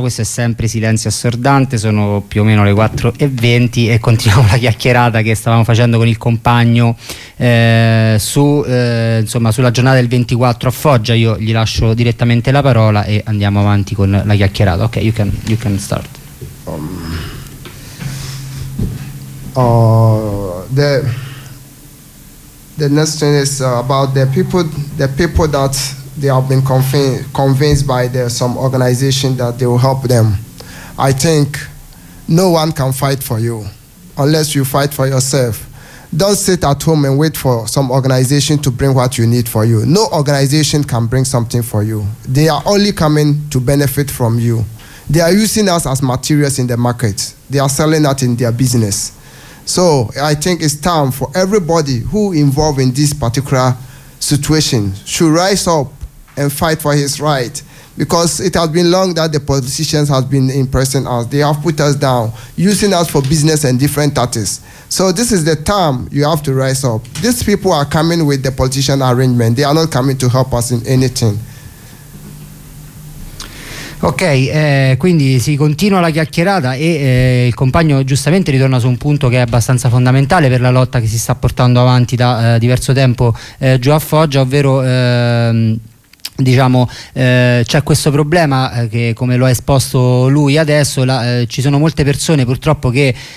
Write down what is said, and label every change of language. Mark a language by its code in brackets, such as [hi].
[it] Questo è sempre Silenzio Assordante, sono più o meno le 4.20 e continuiamo la chiacchierata che stavamo facendo con il compagno sulla giornata del 24 a Foggia. Io gli lascio direttamente la parola e andiamo avanti con la chiacchierata. [en] Ok, you can start. The next thing is about the people that they have been convinced by some organization that they will help them. I think no one can fight for you unless you fight for yourself. Don't sit at home and wait for some organization to bring what you need for you. No organization can bring something for you. They are only coming to benefit from you. They are using us as materials in the market. They are selling that in their business. So I think it's time for everybody who involved in this particular situation should rise up and fight for his right, because it has been long that the politicians have been impressing us. They have put us down, using us for business and different tactics. So this is the time you have to rise up. These people are coming with the politician arrangement. They are not coming to help us in anything. [it] Ok, quindi si continua la chiacchierata e il compagno giustamente ritorna su un punto che è abbastanza fondamentale per la lotta che si sta portando avanti da diverso tempo giù a Foggia, ovvero c'è questo problema che, come lo ha esposto lui adesso, ci sono molte persone purtroppo che